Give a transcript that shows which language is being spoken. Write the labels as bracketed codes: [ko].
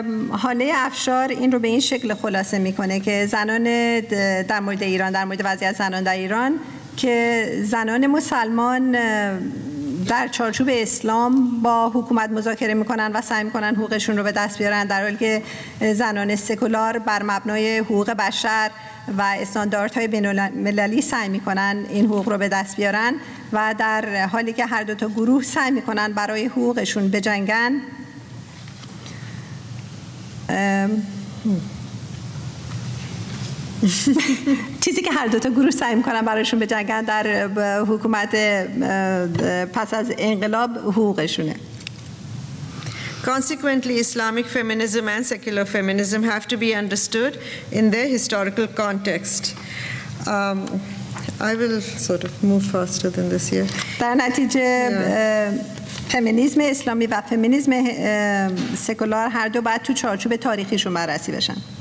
[fa] حاله افشار این رو به این شکل خلاصه میکنه که زنان در مورد ایران، در مورد وضعیت زنان در ایران، که زنان مسلمان در چارچوب اسلام با حکومت مذاکره میکنن و سعی میکنن حقوقشون رو به دست بیارن، در حالی که زنان سکولار بر مبنای حقوق بشر و استانداردهای بین المللی سعی میکنن این حقوق رو به دست بیارن، و در حالی که هر دو تا گروه سعی میکنن برای حقوقشون بجنگن. چیزی که هر دو تا گروه سعی می‌کنن براشون بجنگن در حکومت پس از انقلاب حقوقشونه. [en] Consequently, Islamic feminism and secular feminism have to be understood in their historical context. I will sort of move faster than this here. [fa] در نتیجه فمینیسم اسلامی و فمینیسم سکولار هر دو باید تو چارچوب تاریخیشون بررسی بشن.